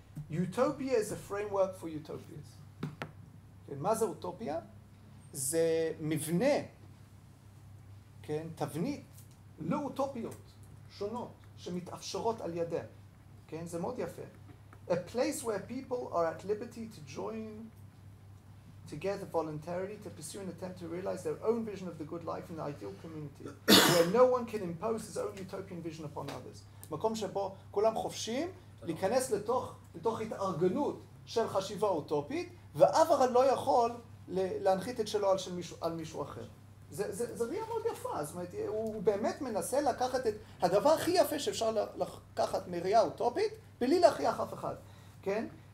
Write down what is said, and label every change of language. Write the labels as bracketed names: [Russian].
[English] Utopia is a framework for utopias. [Hebrew] כן, מה זה אוטופיה? זה מבנה, כן, תבנית לאוטופיות שונות שמתאפשרות על ידיה. כן, זה מאוד יפה. [English] A place where people are at liberty to join together voluntarily to pursue an attempt to realize their own vision of the good life in the ideal community where no one can impose his own utopian vision upon others. [Hebrew] מקום שבו כולם חופשיים להיכנס לתוך התארגנות של חשיבה אוטופית, ואף אחד לא יכול להנחית את שלו על מישהו אחר. זה ראייה מאוד יפה, זאת אומרת, הוא באמת מנסה לקחת את הדבר הכי יפה שאפשר לקחת מראייה אוטופית, בלי להכריח אף אחד, כן?